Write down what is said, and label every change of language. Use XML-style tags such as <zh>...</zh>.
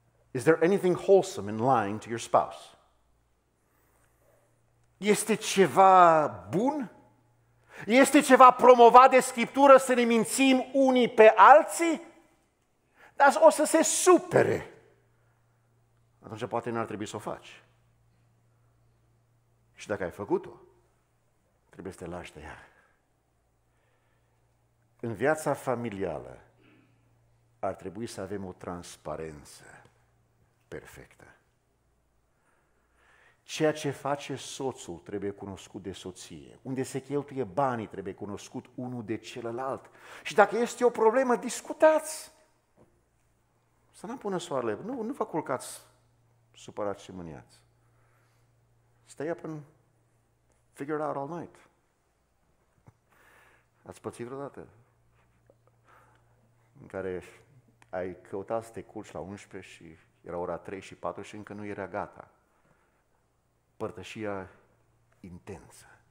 <en>Is there anything wholesome in lying to your spouse?</en> <ro>Este ceva bun? Este ceva promovat de Scriptură să ne mințim unii pe alții? Dar o să se supere. Atunci poate n-ar trebui să o faci. Și dacă ai făcut-o, trebuie să te lași de ea. În viața familială ar trebui să avem o transparență perfectă. Ceea ce face soțul trebuie cunoscut de soție. Unde se cheltuie banii trebuie cunoscut unul de celălalt. Și dacă este o problemă, discutați. Să nu pună soarele. Nu vă culcați supărați și mâniați.</ro> <en>Stay up and figure it out all night.</en> <ro>Ați pățit vreodată în care ai căutat să te culci la 11 și era ora 3 și 4 și încă nu era gata. Părtășia intensă.</ro>